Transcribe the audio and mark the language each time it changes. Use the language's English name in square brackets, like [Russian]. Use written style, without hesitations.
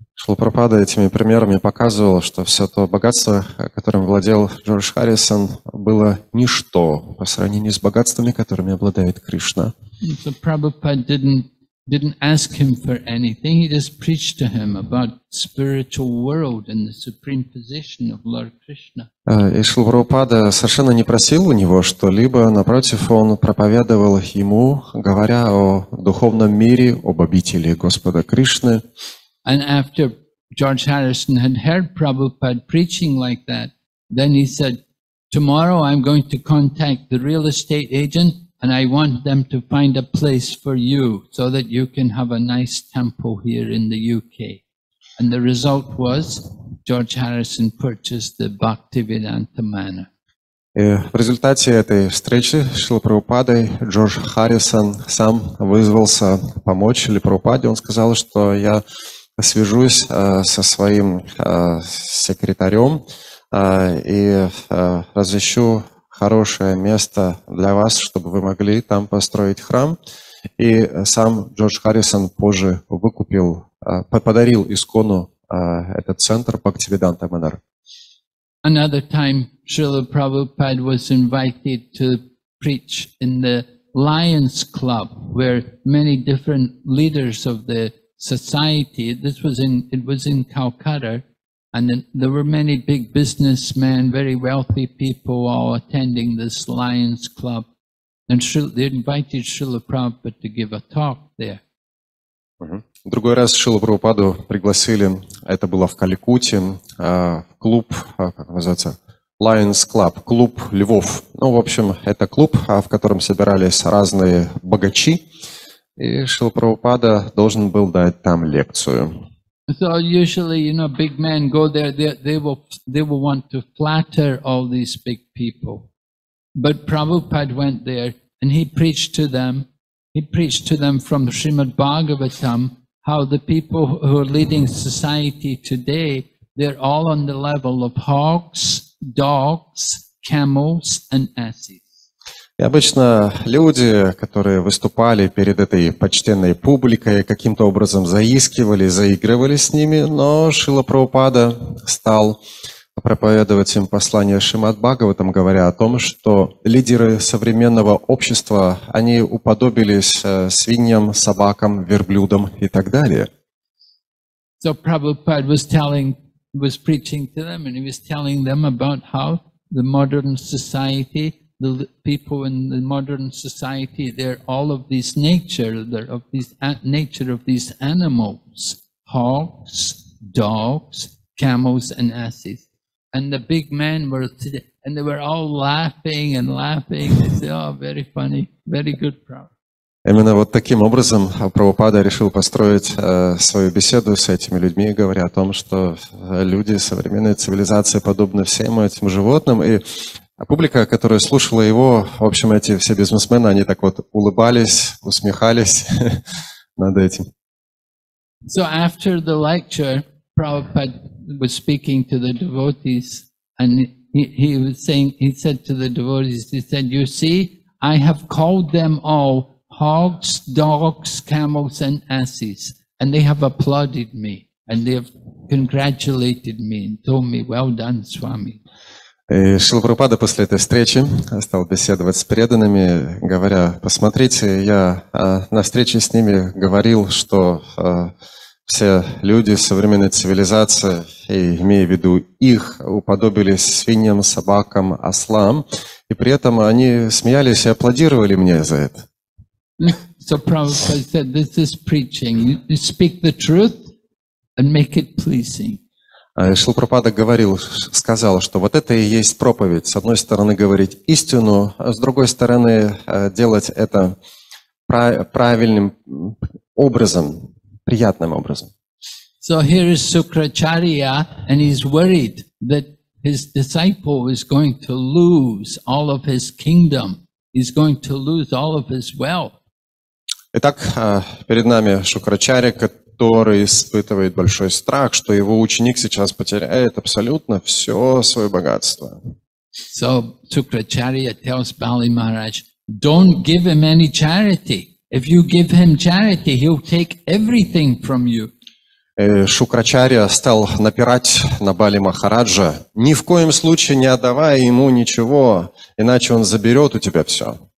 [Russian] Шрила Прабхупада этими примерами показывал, что все то богатство, которым владел Джордж Харрисон, было ничто по сравнению с богатствами, которыми обладает Кришна. [English] So Prabhupada didn't ask him for anything. He just preached to him about spiritual world and the supreme position of Lord Krishna. [Russian] И Шрила Прабхупада совершенно не просил у него что-либо. Напротив, он проповедовал ему, говоря о духовном мире, об обители Господа Кришны. [English] And after George Harrison had heard Prabhupada preaching like that, then he said, "Tomorrow I'm going to contact the real estate agent, and I want them to find a place for you so that you can have a nice temple here in the UK." And the result was George Harrison purchased the Bhaktivedanta Manor. [Russian] И в результате этой встречи Шрила Прабхупадой Джордж Харрисон сам вызвался помочь Шриле Прабхупаде. Он сказал, что я свяжусь со своим секретарем и разыщу хорошее место для вас, чтобы вы могли там построить храм. И сам Джордж Харрисон позже выкупил, подарил ИСККОНу этот центр Бхактивиданта Манар. [English] Another time Srila Prabhupada was invited to preach in the Lions Club, where many different leaders of the society, it was in Calcutta, and there were many big businessmen, very wealthy people all attending this Lions Club, and they invited Srila Prabhupada to give a talk there. [Russian] В другой раз Шрилу Прабхупаду пригласили, это было в Каликуте, клуб, как называется, Lions Club, клуб львов. Ну, в общем, это клуб, в котором собирались разные богачи. И Шрила Прабхупада должен был дать там лекцию. [English] So usually, you know, big men go there, they will want to flatter all these big people. But Prabhupada went there and he preached to them from Srimad Bhagavatam how the people who are leading society today, they're all on the level of hogs, dogs, camels and asses. [Russian] И обычно люди, которые выступали перед этой почтенной публикой, каким-то образом заискивали, заигрывали с ними, но Шрила Прабхупада стал проповедовать им послание Шримад Бхагаватам, говоря о том, что лидеры современного общества, они уподобились свиньям, собакам, верблюдам и так далее. [English] So Prabhupada was preaching to them, and he was telling them about how the modern society, the people in the modern society, they're all of this nature, they're of this nature of these animals, hogs, dogs, camels and asses. And the big men were sitting, and they were all laughing and laughing. They say, oh, very funny, very good problem. [Russian] Именно вот таким образом Прабхупада решил построить свою беседу с этими людьми, говоря о том, что люди современной цивилизации подобны всем этим животным. И публика, которая слушала его, в общем, эти все бизнесмены, они так вот улыбались, усмехались над этим. [English] So after the lecture, Prabhupada was speaking to the devotees, and he said to the devotees, you see, I have called them all hogs, dogs, camels and asses, and they have applauded me, and they have congratulated me and told me, well done, Swami. [Russian] И Шрила Прабхупада после этой встречи стал беседовать с преданными, говоря, посмотрите, я на встрече с ними говорил, что все люди современной цивилизации, и имея в виду их, уподобились свиньям, собакам, ослам, и при этом они смеялись и аплодировали мне за это. [English] So Prabhupada said, this is preaching. You speak the truth and make it pleasing. [Russian] Шрила Прабхупада говорил, сказал, что вот это и есть проповедь. С одной стороны, говорить истину, а с другой стороны, делать это правильным образом, приятным образом. [English] So here is Sukracharya, and he's worried that his disciple is going to lose all of his kingdom He's going to lose all of his wealth. [Russian] Итак, перед нами Шукрачарья, который испытывает большой страх, что его ученик сейчас потеряет абсолютно все свое богатство. [English] So Shukracharya tells Bali Maharaj, don't give him any charity. If you give him charity, he'll take everything from you. [Russian] Шукрачарья стал напирать на Бали Махараджа, ни в коем случае не отдавая ему ничего, иначе он заберет у тебя все.